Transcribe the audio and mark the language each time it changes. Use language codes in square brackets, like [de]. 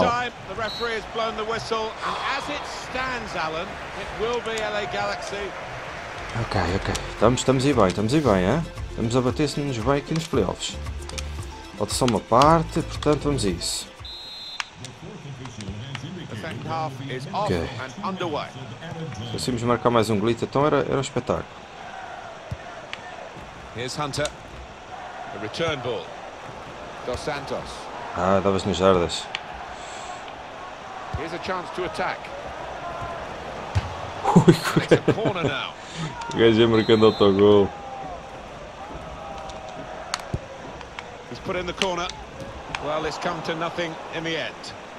[en] The referee has blown the whistle, and as it stands, Alan, it will be LA Galaxy. Ok, ok. [pt] Estamos aí bem, estamos aí bem, hein? Estamos a bater-nos bem aqui nos playoffs. Falta só uma parte, portanto vamos a isso. Ok. Conseguimos marcar mais um glitch, então era um espetáculo. [en] Here's Hunter. The return ball. Dos Santos. [pt] Ah, davas nas jardas. [en] Here's a chance to attack. [pt] Ui, o gajo é marcando autogol. [en] He's put in the corner. Well, it's come to nothing in the end.